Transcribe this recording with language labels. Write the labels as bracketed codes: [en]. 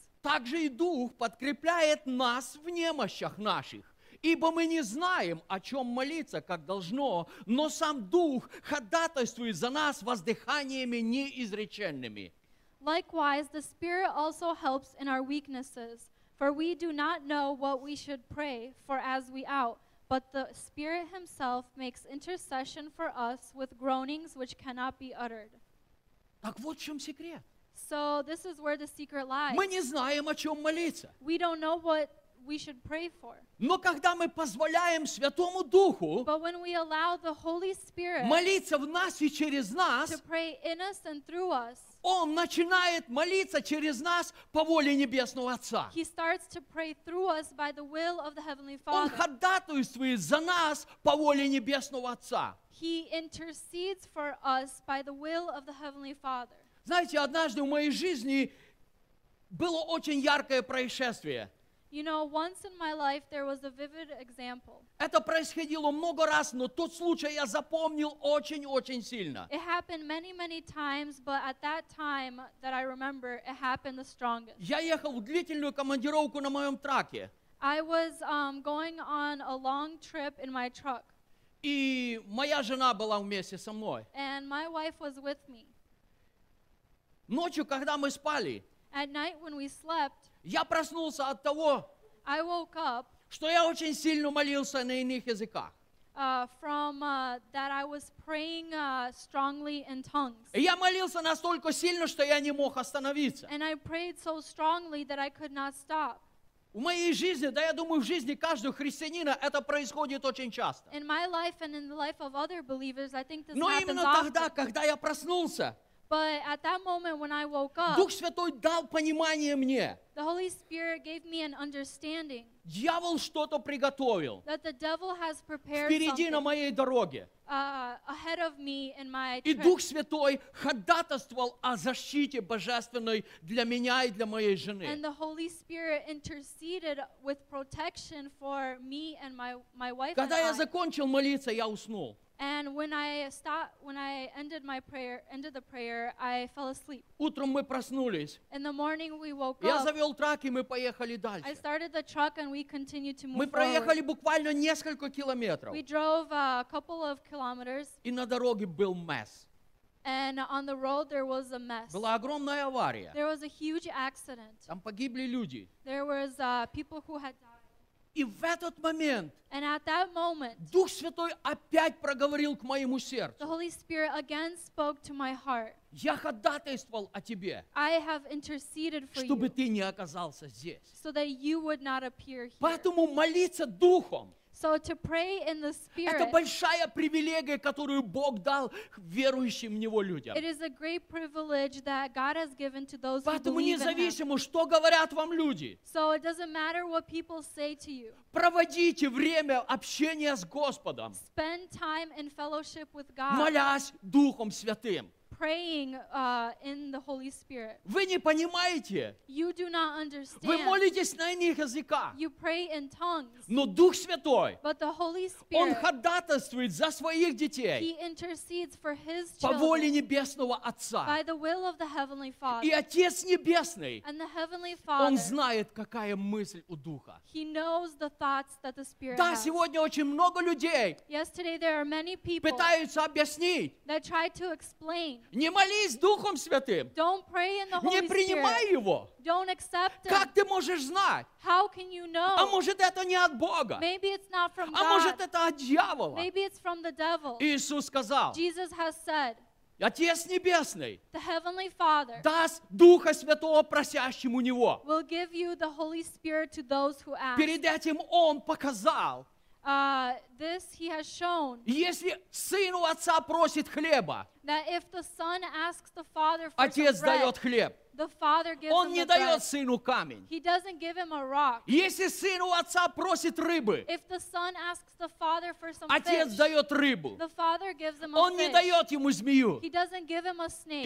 [ru] Также и Дух подкрепляет нас в немощах наших, ибо мы не знаем, о чем молиться, как должно, но сам Дух ходатайствует за нас воздыханиями неизреченными. [en] Likewise, the Spirit also helps in our weaknesses, for we do not know what we should pray for as we ought, but the Spirit Himself makes intercession for us with groanings which cannot be uttered. [ru] Так вот в чем секрет. [en] So this is where the secret lies. [ru] Мы не знаем, о чем молиться. [en] We don't know what we should pray for. [ru] Но когда мы позволяем Святому Духу [en] But when we allow the Holy Spirit [ru] молиться в нас и через нас, [en] to pray in us and through us, [ru] Он начинает молиться через нас по воле Небесного Отца. [en] He starts to pray through us by the will of the Heavenly Father. [ru] Он ходатайствует за нас по воле Небесного Отца. [en] He intercedes for us by the will of the Heavenly Father. [ru] Знаете, однажды в моей жизни было очень яркое происшествие. [en] You know, once in my life there was a vivid example. [ru] Это происходило много раз, но тот случай я запомнил очень-очень сильно. [en] It happened many, many times, but at that time that I remember, it happened the strongest. [ru] Я ехал в длительную командировку на моем траке. [en] I was going on a long trip in my truck. [ru] И моя жена была вместе со мной. [en] And my wife was with me. [ru] Ночью, когда мы спали, [en] At night when we slept, [ru] я проснулся от того, [en] I woke up, [ru] что я очень сильно молился на иных языках. [en] That I was praying strongly in tongues. [ru] Я молился настолько сильно, что я не мог остановиться. [en] And I prayed so strongly that I could not stop. [ru] В моей жизни, да я думаю, в жизни каждого христианина это происходит очень часто. [en] In my life and in the life of other believers, I think this [ru] Но именно тогда, когда я проснулся, [en] But at that moment when I woke up, [ru] Дух Святой дал понимание мне. [en] The Holy Spirit gave me an understanding. [ru] Дьявол что-то приготовил. [en] That the devil has prepared [ru] впереди на моей дороге. [en] Ahead of me in my trip. [ru] И Дух Святой ходатайствовал о защите божественной для меня и для моей жены. [en] And the Holy Spirit interceded with protection for me and my wife. [ru] Когда [en] and [ru] я [en] I. [ru] закончил молиться, я уснул. [en] And when I stopped, when I ended my prayer, ended the prayer, I fell asleep. [ru] Утром мы проснулись. [en] In the morning we woke up. [ru] Я завел трак и мы поехали дальше. [en] I started the truck and we continued to move [ru] Мы проехали буквально несколько километров. [en] We drove a couple of kilometers. [ru] И на дороге был mess. [en] And on the road there was a mess. [ru] Была огромная авария. [en] There was a huge accident. [ru] Там погибли люди. [en] There was people who had died. [ru] И в этот момент [en] And at that moment, [ru] Дух Святой опять проговорил к моему сердцу. [en] The Holy Spirit again spoke to my heart. [ru] Я ходатайствовал о тебе, [en] I have interceded for [ru] чтобы [en] you, [ru] ты не оказался здесь. [en] So that you would not appear here. [ru] Поэтому молиться Духом [en] So to pray in the Spirit, [ru] это большая привилегия, которую Бог дал верующим в Него людям. [en] It is a great privilege that God has given to those who [ru] Поэтому независимо, что говорят вам люди. [en] So it doesn't matter what people say to you. [ru] Проводите время общения с Господом. [en] Spend time in fellowship with God. [ru] Молясь Духом Святым. [en] Praying in the Holy Spirit. [ru] Вы не понимаете. [en] You do not understand. [ru] Вы молитесь на иных языках. [en] You pray in tongues. [ru] Но Дух Святой. [en] But the Holy Spirit. [ru] Он ходатайствует за своих детей. [en] He intercedes for his children. [ru] По воле Небесного Отца. [en] By the will of the Heavenly Father. [ru] И Отец Небесный. [en] And the Heavenly Father. [ru] Он знает, какая мысль у Духа. [en] He knows the thoughts that the Spirit [ru] да, [en] has. [ru] Да, сегодня очень много людей. [en] Yesterday there are many people. [ru] Пытаются объяснить. [en] That try to explain. [ru] Не молись Духом Святым. [en] Don't pray in the Holy [ru] не принимай [en] Spirit. [ru] Его. [en] Don't accept him. [ru] Как ты можешь знать? [en] How can you know? [ru] А может это не от Бога? [en] Maybe it's not from [ru] а [en] God. [ru] Может это от дьявола? [en] Maybe it's from the devil. [ru] Иисус сказал, [en] Jesus has said, [ru] Отец Небесный [en] the Heavenly Father [ru] даст Духа Святого просящему Него. [en] Will give you the Holy Spirit to those who ask. [ru] Перед этим Он показал, [en] This he has shown. [ru] Если сын у отца просит хлеба, [en] that if the son asks the father for [ru] отец [en] some [ru] дает хлеб. [en] The father gives [ru] Он [en] him [ru] не [en] the [ru] дает [en] bread. [ru] Сыну камень. [en] He doesn't give him a rock. [ru] Если сын у отца просит рыбы, [en] if the son asks the father for some [ru] отец [en] fish, [ru] дает рыбу. [en] The father gives him a [ru] Он [en] fish. [ru] Не дает ему змею. [en] He doesn't give him a snake.